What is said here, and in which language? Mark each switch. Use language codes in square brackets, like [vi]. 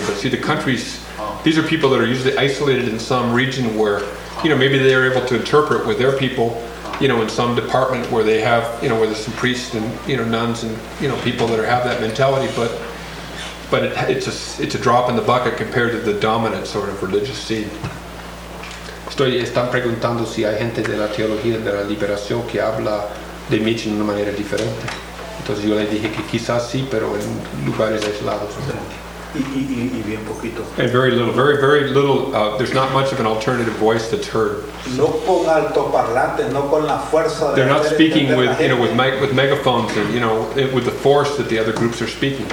[en] But see, the countries, these are people that are usually isolated in some region where, you know, maybe they are able to interpret with their people, you know, in some department where they have, you know, where there's some priests and, you know, nuns and, you know, people that have that mentality, but it's a drop in the bucket compared to the dominant sort of religious scene. [es] Estoy están preguntando si hay gente de la teología de la liberación que habla de Mitch en una manera diferente. Entonces yo le dije que quizás sí, pero en lugares aislados. Y bien poquito. [en] And very little, very, very little. There's not much of an alternative voice that's heard. [es] No con altoparlantes, no con la fuerza. [en] They're not speaking with, you know, with megaphones and, you know, with the force that the other groups are speaking.